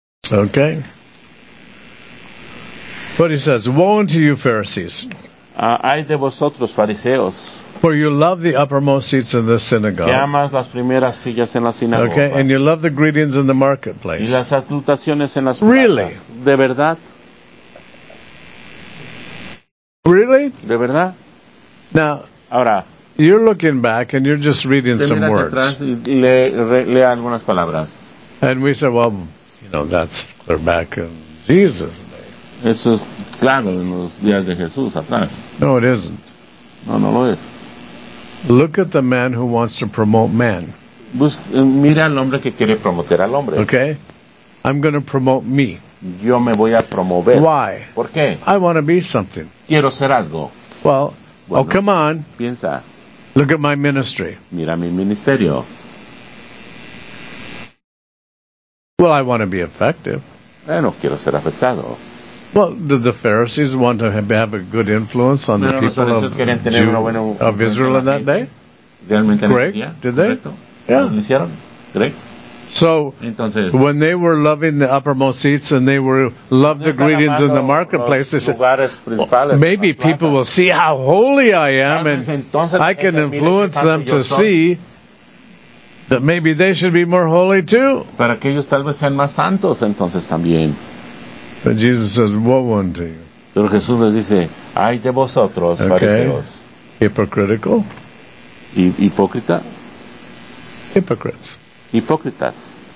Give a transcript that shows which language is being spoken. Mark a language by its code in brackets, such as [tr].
[en] Okay. But he says, woe unto you, Pharisees. [es] Ay de vosotros, fariseos. [en] For you love the uppermost seats in the synagogue. [es] Que amas las primeras sillas en la sinagoga. [en] Okay, and you love the greetings in the marketplace. [es] Y las salutaciones en las plazas. [en] Really? [es] De verdad? [en] Really? [es] De verdad? [en] Now, [es] ahora, [en] you're looking back and you're just reading some words. [es] Te miras atrás y lee algunas palabras. [en] And we say, well, you know, that's clear back in Jesus' name. [es] Eso es claro en los días de Jesús atrás. [en] No, it isn't. [es] No, no lo es. [en] Look at the man who wants to promote man. [es] Mira al hombre que quiere promover al hombre. [en] Okay? I'm going to promote me. [es] Yo me voy a promover. [en] Why? [es] ¿Por qué? [en] I want to be something. [es] Quiero ser algo. [en] Well, bueno, oh, come on. [es] Piensa. [en] Look at my ministry. [es] Mira mi ministerio. [en] Well, I want to be effective. [es] No quiero ser afectado. [en] Well, did the Pharisees want to have a good influence on [es] pero [en] the people of, [es] tener una buena [en] of Israel in that day? [es] Realmente [en] Greg, did they? [es] Correcto. [en] Yeah. Greg. So, [es] entonces, [en] when they were loving the uppermost seats and they were loved the greetings in the marketplace, they said, well, maybe people will see how holy I am and I can influence them to see that maybe they should be more holy too. [es] Para que ellos tal vez sean más santos, entonces también. [en] But Jesus says, woe unto you. [es] Pero Jesús les dice, ay de vosotros, [en] okay. [es] Fariseos. [en] Hypocritical. [es] Hipócrita. [en] Hypocrites. [es] Hipócritas.